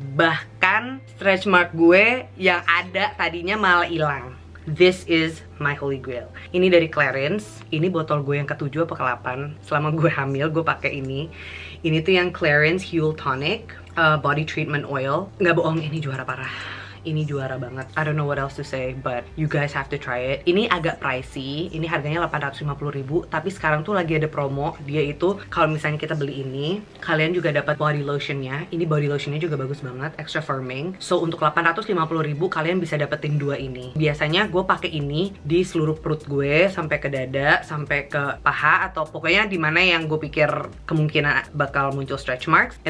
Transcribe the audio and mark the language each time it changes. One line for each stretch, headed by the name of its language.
Indonesian: Bahkan stretch mark gue yang ada tadinya malah hilang.
English: This is my holy grail.
Indonesian: Ini dari Clarins. Ini botol gue yang ke-7 apa ke-8. Selama gue hamil gue pakai ini. Ini tuh yang Clarins Huel Tonic Body Treatment Oil. Nggak bohong, ini juara parah. Ini juara banget.
English: I don't know what else to say, but you guys have to try it.
Indonesian: Ini agak pricey. Ini harganya 850 ribu. Tapi sekarang tuh lagi ada promo. Dia itu kalau misalnya kita beli ini, kalian juga dapat body lotionnya. Ini body lotionnya juga bagus banget, extra firming. So untuk 850 ribu kalian bisa dapetin dua ini. Biasanya gue pakai ini di seluruh perut gue, sampai ke dada, sampai ke paha, atau pokoknya di mana yang gue pikir kemungkinan bakal muncul stretch marks.